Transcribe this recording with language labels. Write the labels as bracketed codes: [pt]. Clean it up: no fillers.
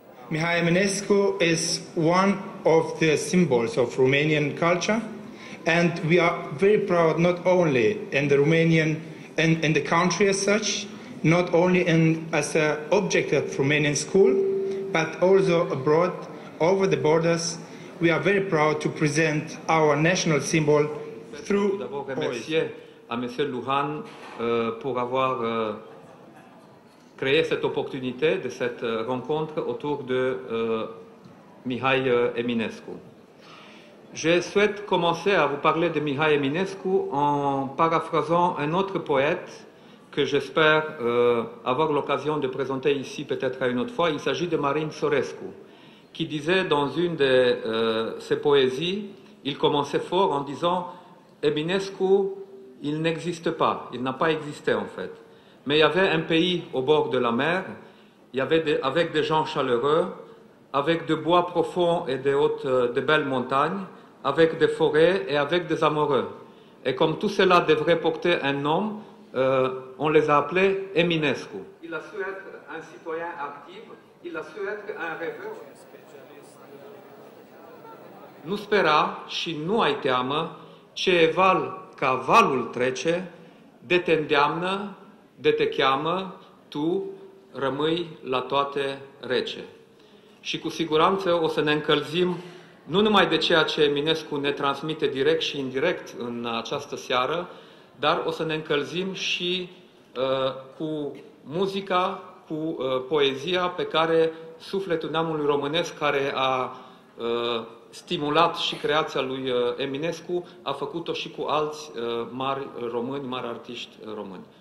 [en] Mihai Eminescu is one of the symbols of Romanian culture, and we are very proud not only in the Romanian and in the country as such, not only in as an object of Romanian school, but also abroad, over the borders. We are very proud to present our national symbol through [fr] Luhan pour avoir créer cette opportunité de cette rencontre autour de Mihai Eminescu. Je souhaite commencer à vous parler de Mihai Eminescu en paraphrasant un autre poète que j'espère avoir l'occasion de présenter ici peut-être à une autre fois. Il s'agit de Marin Sorescu, qui disait dans une de ses poésies, il commençait fort en disant « Eminescu, il n'existe pas, il n'a pas existé en fait ». Mais il y avait un pays au bord de la mer, il y avait avec des gens chaleureux, avec des bois profonds et des hautes, de belles montagnes, avec des forêts et avec des amoureux. Et comme tout cela devrait porter un nom, on les a appelés Eminescu. Il a su être un citoyen actif, il a su être un rêveur. [ro] Nu spera și nu ai teamă ce e val ca valul trece, de te îndeamnă, de te cheamă, tu rămâi la toate rece. Și cu siguranță o să ne încălzim nu numai de ceea ce Eminescu ne transmite direct și indirect în această seară, dar o să ne încălzim și cu muzica, cu poezia pe care sufletul neamului românesc care a stimulat și creația lui Eminescu a făcut-o și cu alți mari români, mari artiști români.